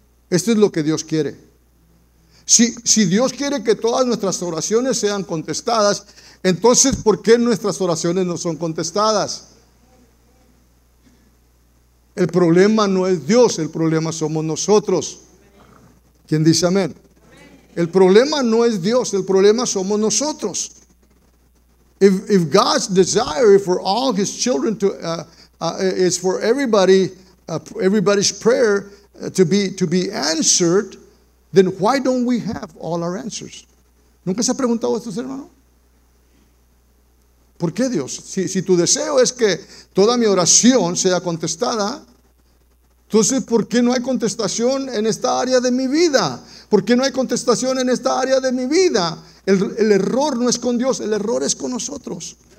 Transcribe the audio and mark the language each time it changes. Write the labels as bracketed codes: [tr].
[es] Esto es lo que Dios quiere. Si Dios quiere que todas nuestras oraciones sean contestadas, entonces, ¿por qué nuestras oraciones no son contestadas? El problema no es Dios, el problema somos nosotros. ¿Quién dice amén? El problema no es Dios, el problema somos nosotros. [en] If God's desire for all his children to is for everybody everybody's prayer to be answered, then why don't we have all our answers? [es] ¿Nunca se ha preguntado esto, hermano? ¿Por qué, Dios? Si tu deseo es que toda mi oración sea contestada, entonces, ¿por qué no hay contestación en esta área de mi vida? ¿Por qué no hay contestación en esta área de mi vida? El error no es con Dios, el error es con nosotros.